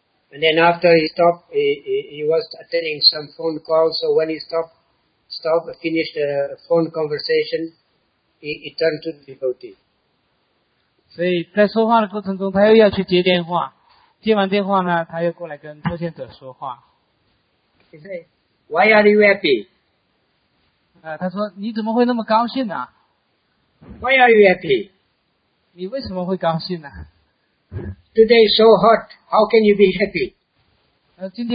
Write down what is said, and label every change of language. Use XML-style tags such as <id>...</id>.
<en>And then after he stopped, he was attending some phone calls, so when he finished the phone conversation, he turned to the devotee.</en> <zh>所以在说话的过程中他又要去接电话，接完电话呢，他又过来跟奉献者说话。</zh> <en>He said, why are you happy?</en> <zh>他说，你怎么会那么高兴呢？</zh> <en>Why are you happy?</en> <zh>你为什么会高兴呢？</zh> <en>Today is so hot, how can you be happy?</en>